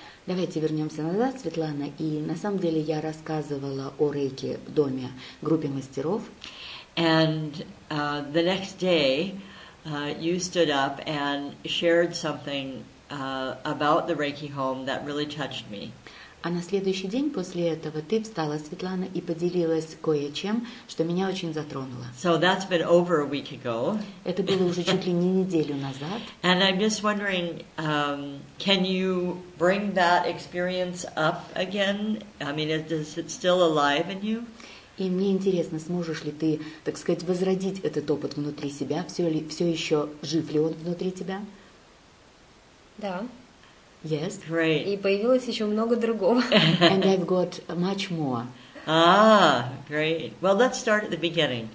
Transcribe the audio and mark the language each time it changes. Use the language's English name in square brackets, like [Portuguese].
[Russian] Давайте вернемся назад, Светлана. И на самом деле я рассказывала о Рейки доме группе мастеров. [English] And the next day, you stood up and shared something about the Reiki home that really touched me. [Russian] А на следующий день после этого ты встала, Светлана, и поделилась кое-чем, что меня очень затронуло. [English] So that's been over a week ago. [Russian] Это было уже чуть ли не неделю назад. [English] And I'm just wondering, can you bring that experience up again? I mean, is it still alive in you? [Russian] И мне интересно, сможешь ли ты, так сказать, возродить этот опыт внутри себя? Все еще жив ли он внутри тебя? Да. [English] Yes. Great. [Russian] И появилось еще много другого. [English] And I've got much more. Ah, great. Well, let's start at the beginning.